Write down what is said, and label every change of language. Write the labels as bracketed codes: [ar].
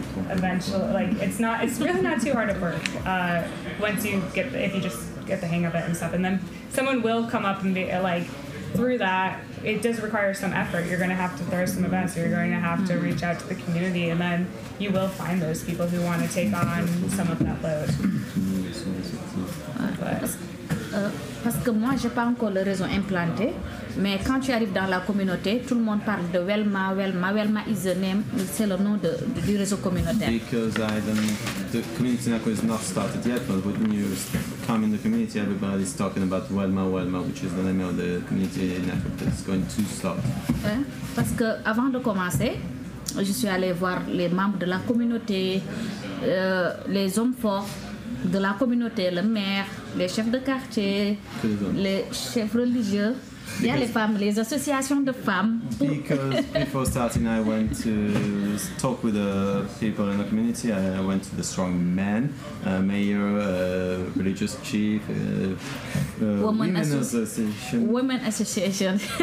[en] Eventually, like, it's really not too hard at work once you get, if you just get the hang of it and stuff, and then someone will come up and be like, through that, it does require some effort. You're going to have to throw some events, you're going to have to reach out to the community, and then you will find those people who want to take on some of that load. [fr] Parce que moi, j'ai pas encore le réseau implanté. Mais quand tu arrives dans la communauté, tout le monde parle de Welma, Welma, Welma is the name, c'est le nom du réseau communautaire. [en] Because I don't, the community network is not started yet, but when you come in the community, everybody's talking about Welma, Welma, which is the name of the community network that's going to start. [fr] Parce que avant de commencer, je suis allée voir les membres de la communauté, les hommes forts de la communauté, le maire, les chefs de quartier, les chefs religieux. [en] Because [fr] yeah, les femmes, les associations de femmes. [en] Because before starting, I went to talk with the people in the community. I went to the strong men, mayor, religious chief, women association. Women association.